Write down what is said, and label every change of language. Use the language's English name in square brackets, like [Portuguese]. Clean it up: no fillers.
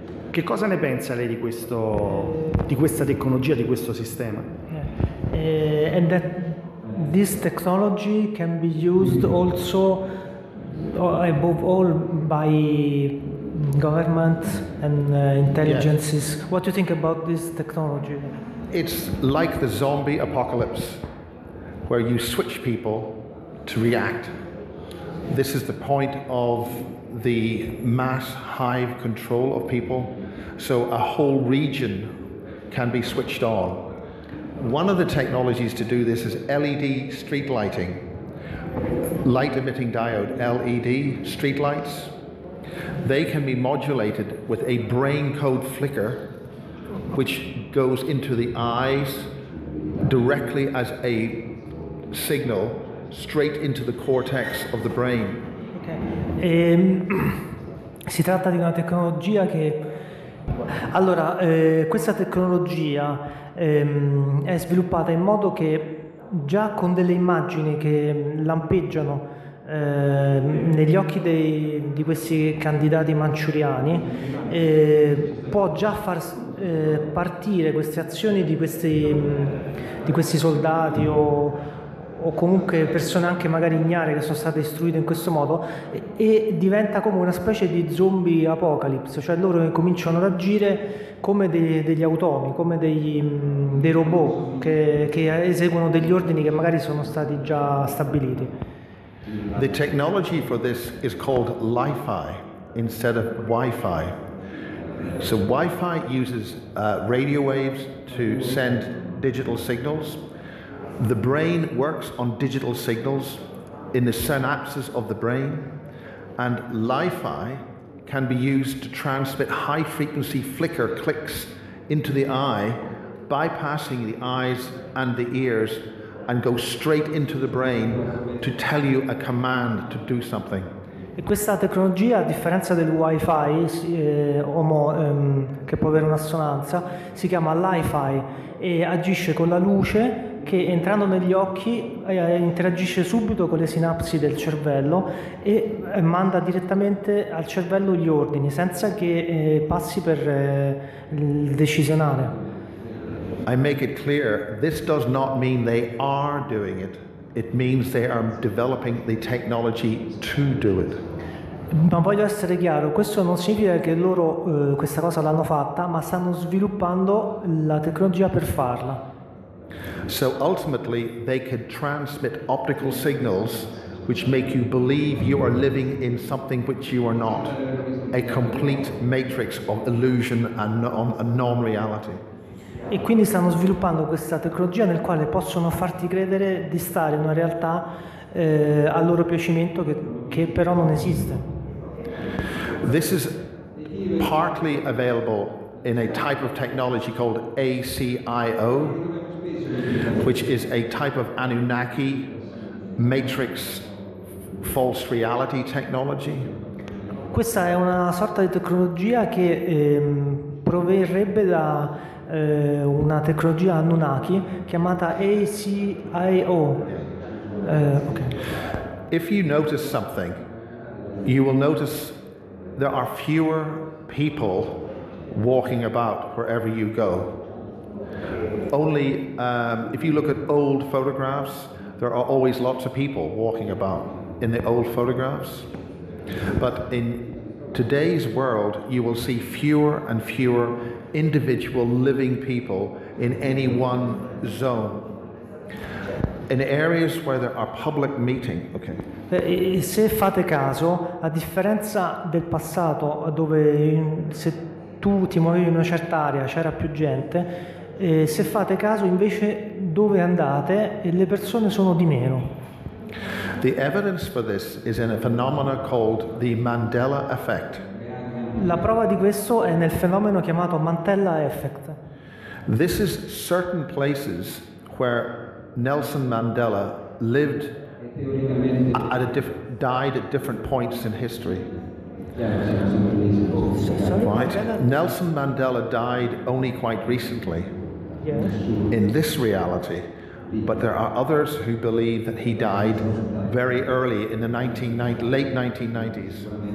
[Italian] Che cosa ne pensa lei di questo, di questa tecnologia, di questo sistema? [English] And that this technology can be used also above all by government and intelligences. Yes. What do you think about this technology? It's like the zombie apocalypse where you switch people to react. This is the point of the mass hive control of people. So a whole region can be switched on. One of the technologies to do this is LED street lighting, light emitting diode, LED street lights. They can be modulated with a brain code flicker, which goes into the eyes directly as a signal straight into the cortex of the brain. [Italian] Okay. Si tratta di una tecnologia che... Allora, questa tecnologia è sviluppata in modo che già con delle immagini che lampeggiano negli occhi di questi candidati manciuriani può già far partire queste azioni di questi soldati o comunque persone anche magari ignare che sono state istruite in questo modo, e diventa come una specie di [English] zombie apocalypse, [Italian] cioè loro cominciano ad agire come degli automi, come dei robot che eseguono degli ordini che magari sono stati già stabiliti. [English] The technology for this is called Li-Fi instead of Wi-Fi. So Wi-Fi uses radio waves to send digital signals. The brain works on digital signals in the synapses of the brain, and Li-Fi can be used to transmit high frequency flicker clicks into the eye, bypassing the eyes and the ears, and go straight into the brain to tell you a command to do something. [Italian] E questa tecnologia, a differenza del Wi-Fi, che può avere un'assonanza, si chiama Li-Fi e agisce con la luce che, entrando negli occhi, interagisce subito con le sinapsi del cervello e manda direttamente al cervello gli ordini, senza che passi per il decisionale. [English] I make it clear, this does not mean they are doing it. It means they are developing the technology to do it. [Italian] Ma voglio essere chiaro, questo non significa che loro questa cosa l'hanno fatta, ma stanno sviluppando la tecnologia per farla. [English] So ultimately they can transmit optical signals which make you believe you are living in something which you are not, a complete matrix of illusion and non-reality. [Italian] E quindi stanno sviluppando questa tecnologia nel quale possono farti credere di stare in una realtà a loro piacimento che però non esiste. [English] This is partly available in a type of technology called ACIO, which is a type of Anunnaki matrix false reality technology. [Italian] Questa è una sorta di tecnologia che proverrebbe da una tecnologia Anunnaki chiamata ACIO. [English] Okay. If you notice something, you will notice there are fewer people walking about wherever you go. Only if you look at old photographs, there are always lots of people walking about in the old photographs. But in today's world, you will see fewer and fewer individual living people in any one zone. In areas where there are public meeting, okay. [Italian] Se fate caso, a differenza del passato, dove se tu ti muovevi in una certa area, c'era più gente, e se fate caso invece dove andate e le persone sono di meno. [English] The evidence for this is in a phenomenon called the Mandela effect. [Italian] La prova di questo è nel fenomeno chiamato Mandela effect. [English] This is certain places where Nelson Mandela lived at a died at different points in history. Right? Nelson Mandela died only quite recently in this reality, but there are others who believe that he died very early in the late 1990s.